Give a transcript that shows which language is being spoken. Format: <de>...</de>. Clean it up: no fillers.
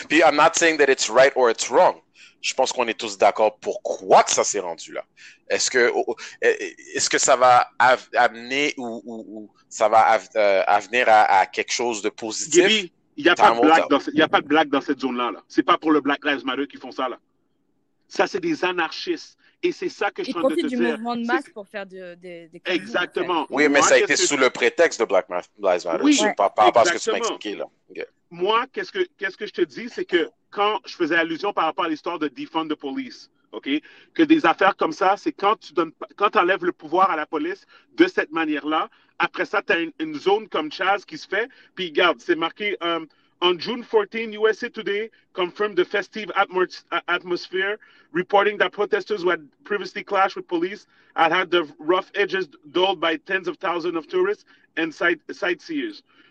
<en>Puis, I'm not saying that it's right or it's wrong.</en> <fr>Je pense qu'on est tous d'accord pourquoi que ça s'est rendu là. Est-ce que ça va amener ou ça va avenir à quelque chose de positif? Gaby, il n'y a pas de blague dans cette zone-là. Là. C'est pas pour le Black Lives Matter qui font ça. Là. Ça, c'est des anarchistes. Et c'est ça que je suis en train de te dire. Ils profitent du mouvement de masse pour faire des crimes. Exactement. Oui, mais ça a été sous le prétexte de Black Lives Matter. Oui, par rapport à ce que tu m'as expliqué. Là. Okay. Moi, qu'est-ce que je te dis, c'est que quand je faisais allusion par rapport à l'histoire de Defund the Police, okay, que des affaires comme ça, c'est quand tu enlèves le pouvoir à la police de cette manière-là, après ça, tu as une zone comme Chaz qui se fait, puis regarde, c'est marqué...</fr> <en>On June 14, USA Today confirmed the festive atmosphere, reporting that protesters who had previously clashed with police had the rough edges dulled by tens of thousands of tourists and sightseers.</en>